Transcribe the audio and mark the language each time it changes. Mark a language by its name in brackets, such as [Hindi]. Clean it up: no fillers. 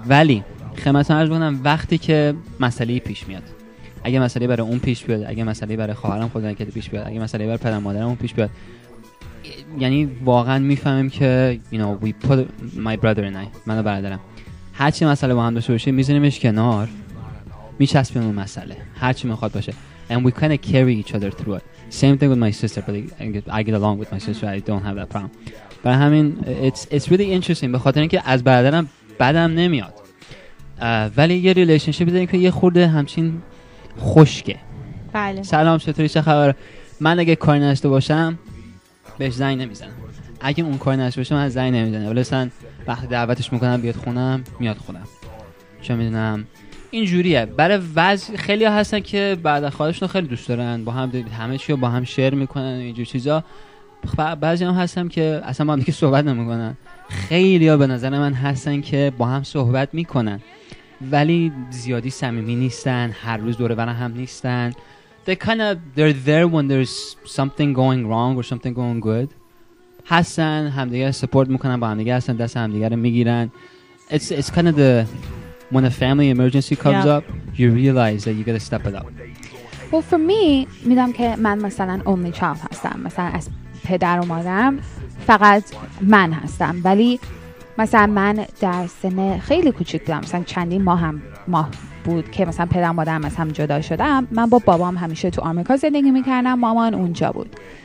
[Persian] ولی خدمتتون عرض می‌کنم وقتی که مسئله پیش میاد، اگه مسئله برای اون پیش بیاد، اگه مسئله برای خواهرم خودم که پیش بیاد، اگه مسئله برای پدر مادرم اون پیش بیاد، یعنی واقعا میفهمیم که [English] you know we put my brother and I، [Persian] من و برادرم، هر چی مسئله با هم داشته باشه میذاریمش کنار، میچسبیم اون مسئله هر چی میخواد باشه، [English] and we kind of carry each other through it. Same thing with my sister, but I get along with my sister, I don't have that problem. [Persian] برای همین [English] it's really interesting، [Persian] به خاطر اینکه از برادرم بدم نمیاد، ولی یه ریلیشنشیپ داریم که یه خورده همچین خشکه. بله. سلام، چطوری، چه خبر؟ من اگه کاری نداشته باشم بهش زنگ نمیزنم، اگه اون کار نشه باشه من زنگ نمیزنم، ولی مثلا وقتی دعوتش میکنم بیاد خونم میاد خونم، چه میدونم این جوریه. برای وضع خیلی ها هستن که بعد از خواهرشون خیلی دوست دارن، با هم همه چی رو با هم شیر میکنن اینجور چیزا، بعضی هم هستن که اصلا با هم دیگه صحبت نمیکنن. خیلی ها به نظر من هستن که با هم صحبت میکنن ولی زیادی صمیمی نیستن، هر روز دور هم نیستن. [English] They kind of they're there when there's something going wrong or something going good. [Persian] حسن همدیگه سپورت میکنن، با همدیگه هستن، دست همدیگه رو میگیرن. [English] It's kind of the when a family emergency comes yeah. up, you realize that you gotta step it up. Well, for me, [Persian] میدونم که من مثلا [English] only child [Persian] هستم. مثلا از پدر و مادرم فقط من هستم. ولی مثلا من در سن خیلی کوچیک بودم، مثلا چندین ماه هم ماه بود که مثلا پدر مادرم از هم جدا شدم، من با بابام همیشه تو آمریکا زندگی میکردم، مامان اونجا بود.